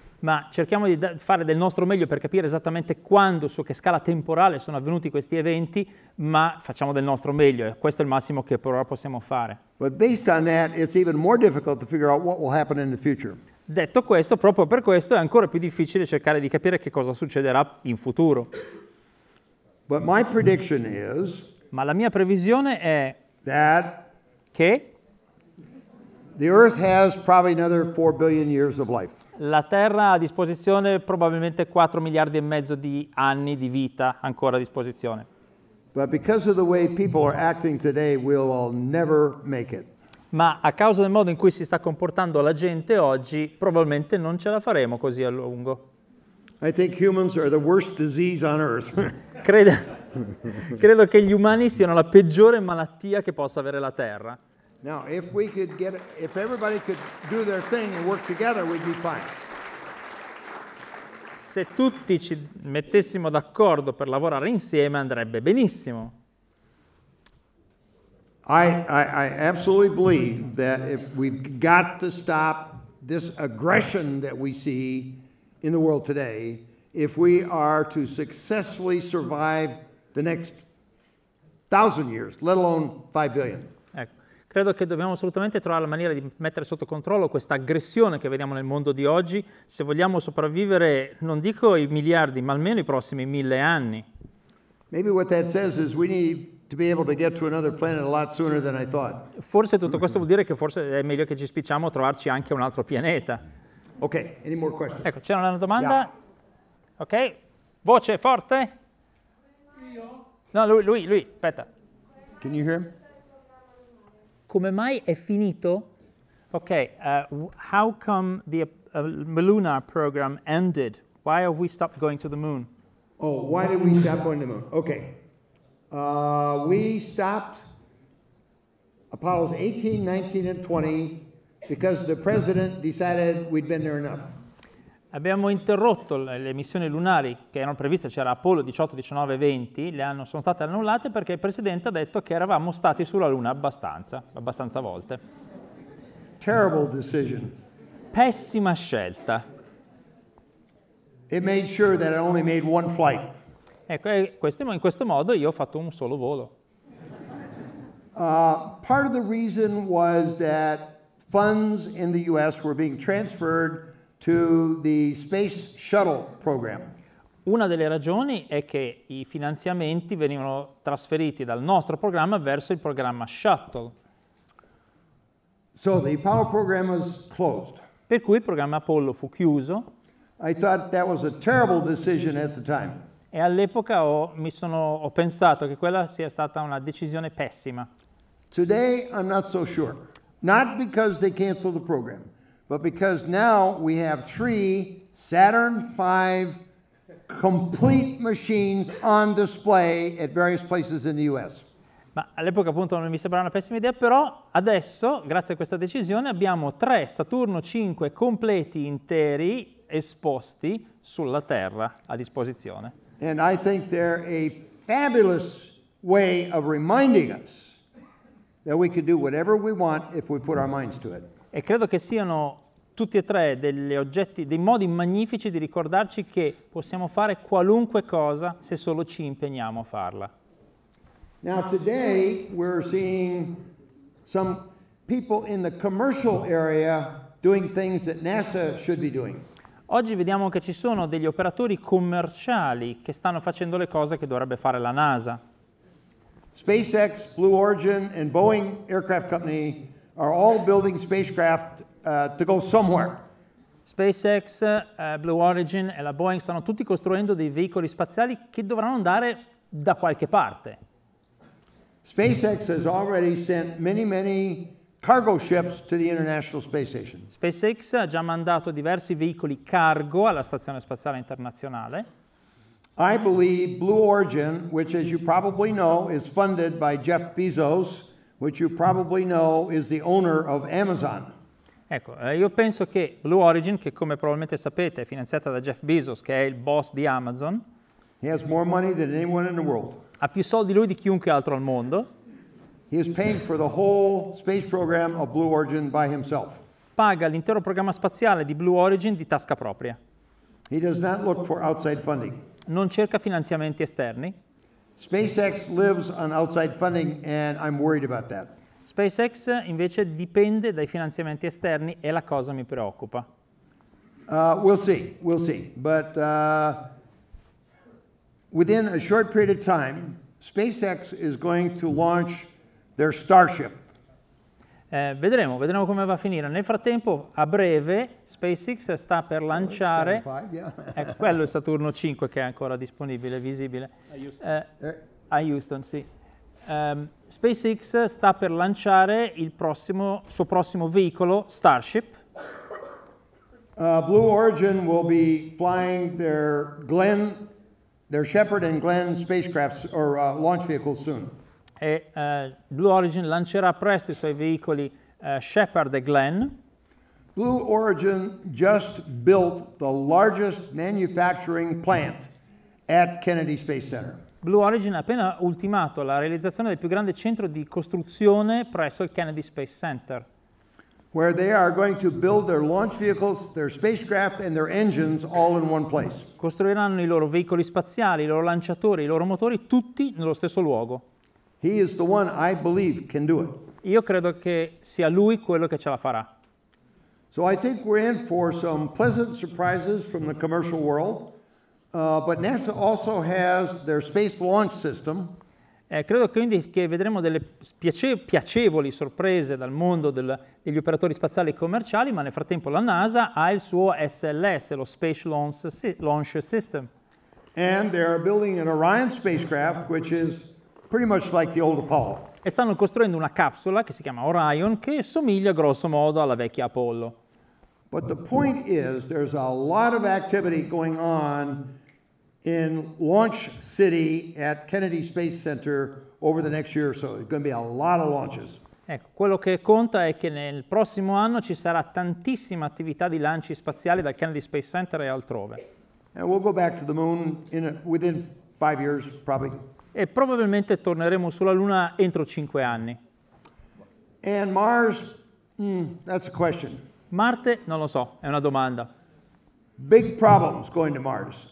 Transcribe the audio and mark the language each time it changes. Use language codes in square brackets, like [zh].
[it] Ma cerchiamo di fare del nostro meglio per capire esattamente quando, su che scala temporale sono avvenuti questi eventi, ma facciamo del nostro meglio, e questo è il massimo che per ora possiamo fare. [en] But based on that, it's even more difficult to figure out what will happen in the future. [it] Detto questo, proprio per questo è ancora più difficile cercare di capire che cosa succederà in futuro. [en] But my prediction is, [it] ma la mia previsione è [en] that [it] che [en] the earth has probably another 4 billion years of life. [it] La Terra ha a disposizione probabilmente 4 miliardi e mezzo di anni di vita ancora a disposizione. [en] But because of the way people are acting today, we will never make it. [it] Ma a causa del modo in cui si sta comportando la gente oggi, probabilmente non ce la faremo così a lungo. [en] I think humans are the worst disease on earth. [it] Credo che gli umani siano la peggiore malattia che possa avere la Terra. [en] Now, if we could get, if everybody could do their thing and work together, we'd be fine. [it] Se tutti ci mettessimo d'accordo per lavorare insieme, andrebbe benissimo. [en] I absolutely believe that if we've got to stop this aggression that we see in the world today, if we are to successfully survive the next 1,000 years, let alone 5 billion. [it] Credo che dobbiamo assolutamente trovare la maniera di mettere sotto controllo questa aggressione che vediamo nel mondo di oggi, se vogliamo sopravvivere, non dico i miliardi, ma almeno i prossimi 1,000 anni. [en] Maybe what that says is we need to be able to get to another planet a lot sooner than I thought. [it] Forse tutto questo vuol dire che forse è meglio che ci spicciamo a trovarci anche un altro pianeta. [en] Ok, any more questions? [it] Ecco, c'era una domanda? Yeah. Ok, voce forte? Io? No, lui, aspetta. [en] Can you hear him? [it] Come mai è finito? [en] Okay, how come the lunar program ended? Why have we stopped going to the moon? Oh, why did we stop going to the moon? Okay. We stopped Apollo's 18, 19, and 20 because the president decided we'd been there enough. [it] Abbiamo interrotto le missioni lunari che erano previste, c'era Apollo 18, 19, 20, sono state annullate perché il Presidente ha detto che eravamo stati sulla Luna abbastanza volte. [en] Terrible decision. [it] Pessima scelta. [en] It made sure that I only made one flight. [it] Ecco, in questo modo io ho fatto un solo volo. [en] Part of the reason was that funds in the US were being transferred to the space shuttle program. [it] Una delle ragioni è che i finanziamenti venivano trasferiti dal nostro programma verso il programma shuttle. [en] So the Apollo program was closed. [it] Per cui il programma Apollo fu chiuso. [en] I thought that was a terrible decision at the time. [it] E all'epoca ho pensato che quella sia stata una decisione pessima. [en] Today I'm not so sure. Not because they canceled the program, but because now we have 3 Saturn V complete machines on display at various places in the US. [it] Ma all'epoca appunto non mi sembrava una pessima idea, però adesso, grazie a questa decisione, abbiamo 3 Saturno V completi interi esposti sulla Terra a disposizione. [en] And I think they're a fabulous way of reminding us that we can do whatever we want if we put our minds to it. [it] E credo che siano tutti e tre degli oggetti, dei modi magnifici di ricordarci che possiamo fare qualunque cosa se solo ci impegniamo a farla. [en] Now today we're seeing some people in the commercial area doing things that NASA should be doing. [it] Oggi vediamo che ci sono degli operatori commerciali che stanno facendo le cose che dovrebbe fare la NASA. [en] SpaceX, Blue Origin and Boeing Aircraft Company are all building spacecraft to go somewhere. [it] SpaceX, Blue Origin e la Boeing stanno tutti costruendo dei veicoli spaziali che dovranno andare da qualche parte. [en] SpaceX has already sent many, many cargo ships to the International Space Station. [it] SpaceX ha già mandato diversi veicoli cargo alla Stazione Spaziale Internazionale. [en] I believe Blue Origin, which as you probably know is funded by Jeff Bezos, which you probably know is the owner of Amazon. [it] Ecco, io penso che Blue Origin, che come probabilmente sapete è finanziata da Jeff Bezos, che è il boss di Amazon, [en] he has more money than anyone in the world. [it] Ha più soldi lui di chiunque altro al mondo. [en] He is paying for the whole space program of Blue Origin by himself. [it] Paga l'intero programma spaziale di Blue Origin di tasca propria. [en] He does not look for outside funding. [it] Non cerca finanziamenti esterni. [en] SpaceX lives on outside funding and I'm worried about that. [it] SpaceX invece dipende dai finanziamenti esterni e la cosa mi preoccupa. [en] We'll see. But within a short period of time, SpaceX is going to launch their Starship. [it] Vedremo come va a finire. Nel frattempo, a breve, SpaceX sta per lanciare... ecco, quello è Saturno 5 che è ancora disponibile, visibile. A Houston, sì. SpaceX sta per lanciare il prossimo, suo prossimo veicolo, Starship. [en] Blue Origin will be flying their Glenn, their Shepard and Glenn spacecraft or launch vehicle soon. [it] E Blue Origin lancerà presto i suoi veicoli Shepard e Glenn. [en] Blue Origin just built the largest manufacturing plant at Kennedy Space Center. [it] Blue Origin ha appena ultimato la realizzazione del più grande centro di costruzione presso il Kennedy Space Center. [en] Where they are going to build their launch vehicles, their spacecraft and their engines all in one place. [it] Costruiranno i loro veicoli spaziali, i loro lanciatori, i loro motori tutti nello stesso luogo. [en] He is the one I believe can do it. [it] Io credo che sia lui quello che ce la farà. [en] So I think we're in for some pleasant surprises from the commercial world, but NASA also has their space launch system. [it] Credo quindi che vedremo delle piacevoli sorprese dal mondo degli operatori spaziali commerciali, ma nel frattempo la NASA ha il suo SLS, lo Space Launch System. [en] And they are building an Orion spacecraft, which is pretty much like the old Apollo. [it] E stanno costruendo una capsula che si chiama Orion che somiglia grosso modo alla vecchia Apollo. [en] But the point is there's a lot of activity going on in Launch City at Kennedy Space Center over the next year or so. It's going to be a lot of launches. [it] Ecco, quello che conta è che nel prossimo anno ci sarà tantissima attività di lanci spaziali dal Kennedy Space Center e altrove. [en] And we'll go back to the moon within 5 years probably. [it] E probabilmente torneremo sulla Luna entro 5 anni. [en] And Mars, that's a question. [it] Marte, non lo so, è una domanda. [en] Big problems going to Mars.